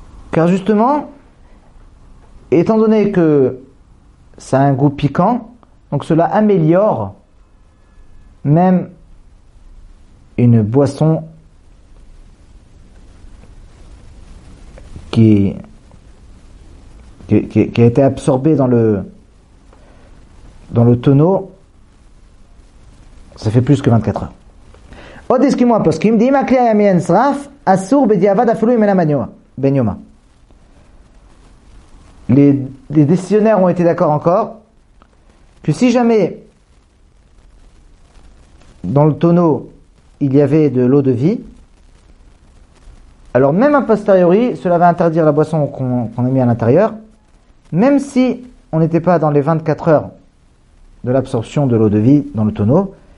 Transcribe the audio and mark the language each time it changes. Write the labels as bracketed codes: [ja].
[fr] Car justement, étant donné que ça a un goût piquant, donc cela améliore même une boisson qui a été absorbée dans le tonneau. Ça fait plus que 24 heures. [he] עוד הסכימו הפוסקים, דאם הכלי היה מיין שרף, אסור בדיעבד אפילו אם אינה בן יומה. [fr] Les décisionnaires ont été d'accord encore que si jamais dans le tonneau il y avait de l'eau de vie, alors même a posteriori, cela va interdire la boisson qu'on a mis à l'intérieur, même si on n'était pas dans les 24 heures de l'absorption de l'eau de vie dans le tonneau.